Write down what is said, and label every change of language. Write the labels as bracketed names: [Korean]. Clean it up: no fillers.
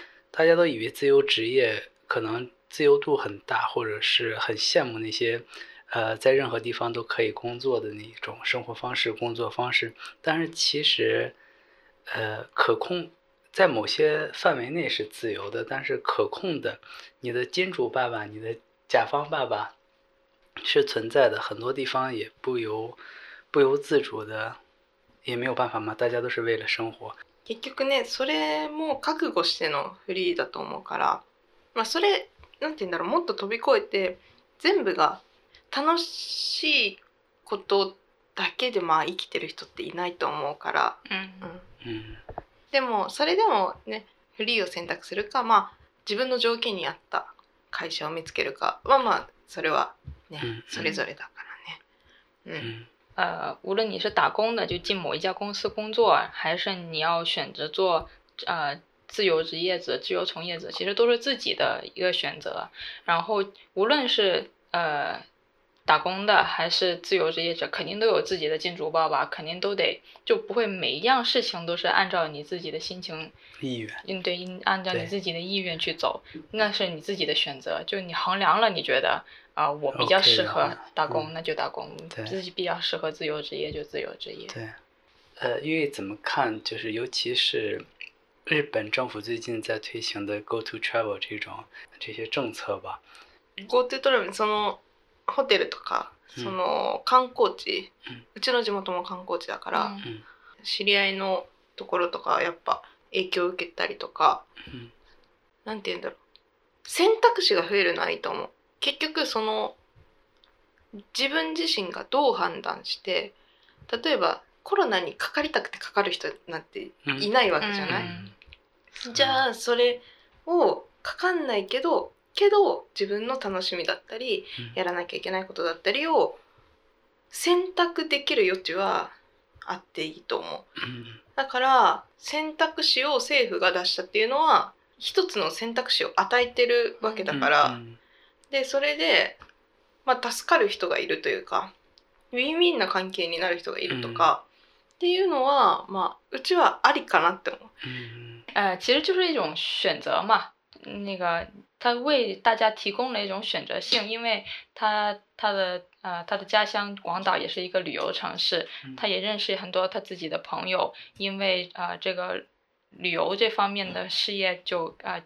[Chinese] 大家都以为自由职业可能自由度很大，或者是很羡慕那些在任何地方都可以工作的那种生活方式、工作方式，但是其实可控。在某些范围内是自由的，但是可控的，你的金主爸爸、你的甲方爸爸是存在的，很多地方也不由自主的，也没有办法嘛，大家都是为了生活。 [Japanese] 結局ね、それも覚悟してのフリーだと思うから、まあ、それなんて言うんだろう、もっと飛び越えて全部が楽しいことだけでまあ生きてる人っていないと思うから。うん。うん。でもそれでもね、フリーを選択するか、まあ自分の条件に合った会社を見つけるかは、まあそれはね、それぞれだからね。 [Chinese] 无论你是打工的，就进某一家公司工作，还是你要选择做自由职业者、自由从业者，其实都是自己的一个选择。然后无论是打工的还是自由职业者，肯定都有自己的金主爸爸，肯定都得，就不会每一样事情都是按照你自己的心情意愿，嗯，对，按照你自己的意愿去走，那是你自己的选择，就你衡量了，你觉得我比较适合打工， okay，那就打工，嗯，自己比较适合自由职业就自由职业。对，因为怎么看，就是尤其是日本政府最近在推行的 Go to Travel 这些政策吧。 [Japanese] Go to Travel そのホテルとか、うん、その観光地、うん、うちの地元も観光地だから、うん、知り合いのところとかやっぱ影響を受けたりとか、うん、なんて言うんだろう、選択肢が増えるのはいいと思う。結局その自分自身がどう判断して、例えばコロナにかかりたくてかかる人なんていないわけじゃない、うん、じゃあそれをかかんないけど自分の楽しみだったりやらなきゃいけないことだったりを選択できる余地はあっていいと思う。だから選択肢を政府が出したっていうのは一つの選択肢を与えてるわけだから、でそれでまあ助かる人がいるというか、ウィンウィンな関係になる人がいるとかっていうのは、まあうちはありかなって思う。 [Chinese] 其实就是一种选择嘛，那个他为大家提供了一种选择性，因为他的家乡广岛也是一个旅游城市，他也认识很多他自己的朋友，因为这个旅游这方面的事业就